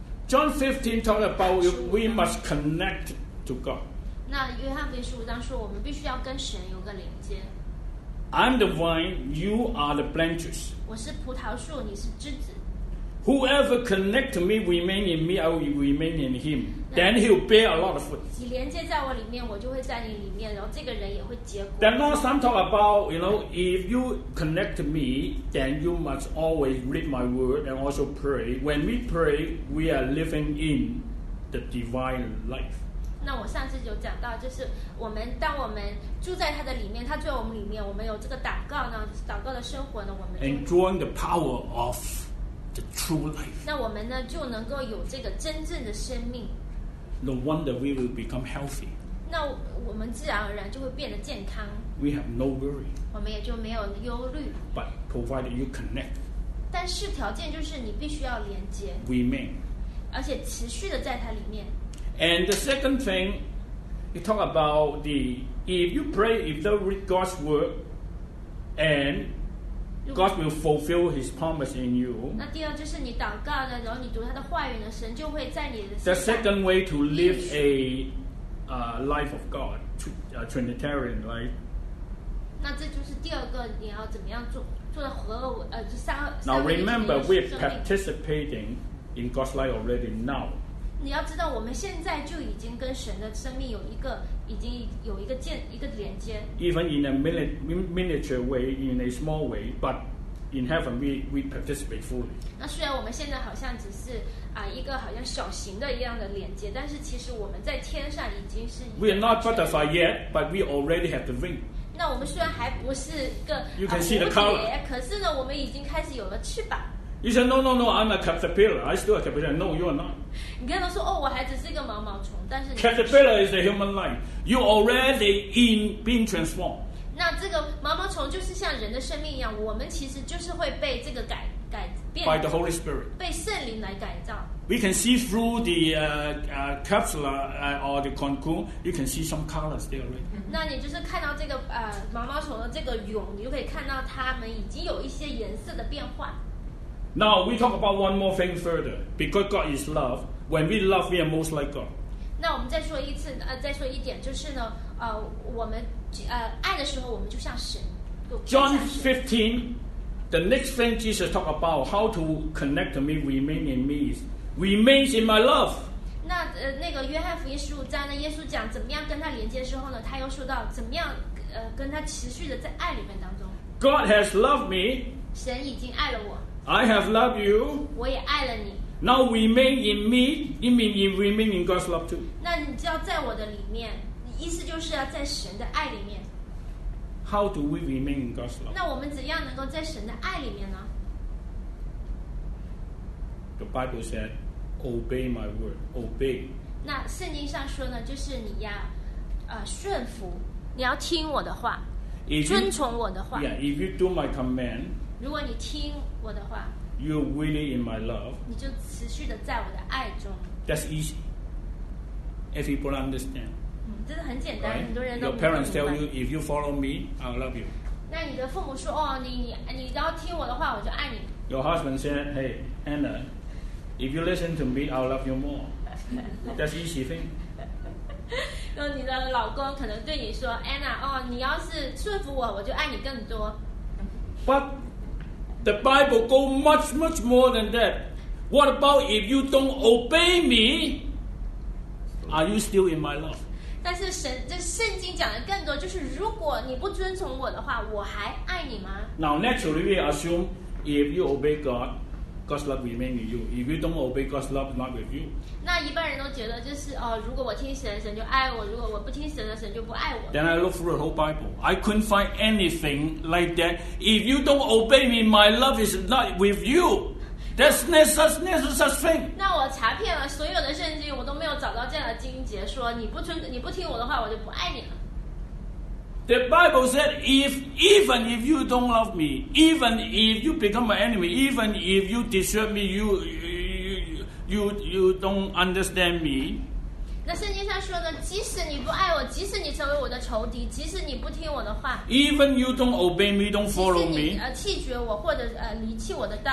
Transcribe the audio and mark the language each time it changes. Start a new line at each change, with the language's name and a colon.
English: John 15 talk about we must connect to God.
Chinese: 那约翰福音十五章说我们必须要跟神有个连接。
English: I'm the vine, you are the branches.
Chinese: 我是葡萄树，你是枝子。
English: Whoever connect to me remain in me, I will remain in him. Then he'll bear a lot of fruit.
Chinese: 你连接在我里面，我就会在你里面，然后这个人也会结果。
English: Then last time talk about, you know, if you connect to me, then you must always read my word and also pray. When we pray, we are living in the divine life.
Chinese: 那我上次有讲到，就是我们当我们住在他的里面，他住在我们里面，我们有这个祷告呢，祷告的生活呢，我们
English: enjoying the power of. The true life.
Chinese: 那我们呢就能够有这个真正的生命。
English: No wonder we will become healthy.
Chinese: 那我们自然而然就会变得健康。
English: We have no worry.
Chinese: 我们也就没有忧虑。
English: But provided you connect.
Chinese: 但是条件就是你必须要连接。
English: Remain.
Chinese: 而且持续的在它里面。
English: And the second thing, you talk about the if you pray, if you read God's word, and God will fulfill His promise in you.
Chinese: 那第二就是你祷告的，然后你读他的话语呢，神就会在你的。
English: The second way to live a life of God, a Trinitarian life.
Chinese: 那这就是第二个你要怎么样做的合三。
English: Now remember, we are participating in God's life already now.
Chinese: 你要知道，我们现在就已经跟神的生命有一个。已经有一个连接。
English: Even in a miniature way, in a small way, but in heaven we participate fully.
Chinese: 那虽然我们现在好像只是啊一个好像小型的一样的连接，但是其实我们在天上已经是。
English: We are not butterfly yet, but we already have the ring.
Chinese: 那我们虽然还不是一个蝴蝶，可是呢，我们已经开始有了翅膀。
English: You say, no, I'm a caterpillar. I still a caterpillar. No, you are not.
Chinese: 你跟他说，哦，我还只是一个毛毛虫，但是。
English: Caterpillar is a human life. You already in being transformed.
Chinese: 那这个毛毛虫就是像人的生命一样，我们其实就是会被这个改变。
English: By the Holy Spirit.
Chinese: 被圣灵来改造。
English: We can see through the capsule or the cocoon. You can see some colors there already.
Chinese: 那你就是看到这个毛毛虫的这个蛹，你就可以看到它们已经有一些颜色的变化。
English: Now we talk about one more thing further. Because God is love, when we love, we are most like God.
Chinese: 那我们再说一次，再说一点，就是呢，我们爱的时候，我们就像神。
English: John 15, the next thing Jesus talked about how to connect to me, remain in me, remains in my love.
Chinese: 那那个约翰福音十五章呢，耶稣讲怎么样跟他连接的时候呢，他又说到怎么样跟他持续的在爱里面当中。
English: God has loved me.
Chinese: 神已经爱了我。
English: I have loved you.
Chinese: 我也爱了你。
English: Now remain in me, it means you remain in God's love too.
Chinese: 那你就要在我的里面，意思就是要在神的爱里面。
English: How do we remain in God's love?
Chinese: 那我们怎样能够在神的爱里面呢？
English: The Bible said, "Obey my word." Obey.
Chinese: 那圣经上说呢，就是你要顺服，你要听我的话，
English: if
Chinese: 遵从我的话。
English: Yeah, if you do my command.
Chinese: 如果你听我的话，
English: You're really in my love.
Chinese: 你就持续的在我的爱中。
English: That's easy. If people understand.
Chinese: 这是很简单，
English: right?
Chinese: 很多人都不明白。
English: Your parents tell you, if you follow me, I'll love you.
Chinese: 那你的父母说，哦，你要听我的话，我就爱你。
English: Your husband said, hey, Anna, if you listen to me, I'll love you more. That's easy thing.
Chinese: 那你的老公可能对你说， Anna, 哦，你要是顺服我，我就爱你更多。
English: But,The Bible goes much more than that. What about if you don't obey me? Are you still in my love?
Chinese: 但是神这圣经讲的更多，就是如果你不遵从我的话，我还爱你吗？
English: Now naturally we assume if you obey God, God's love remains in you. If you don't obey God's love, not with you.
Chinese: 那一般人都觉得就是哦，如果我听神，神就爱我；如果我不听神的，神就不爱我。
English: Then I look through the whole Bible. I couldn't find anything like that. If you don't obey me, my love is not with you. That's never such thing.
Chinese: 那我查遍了所有的圣经，我都没有找到这样的经节，说你不听我的话，我就不爱你了。
English: The Bible said, even if you don't love me, even if you become my enemy, even if you desert me, you don't understand me.
Chinese: 那圣经上说的，即使你不爱我，即使你成为我的仇敌，即使你不听我的话，
English: even you don't obey me, don't follow me.
Chinese: 即使你弃绝我或者离弃我的道，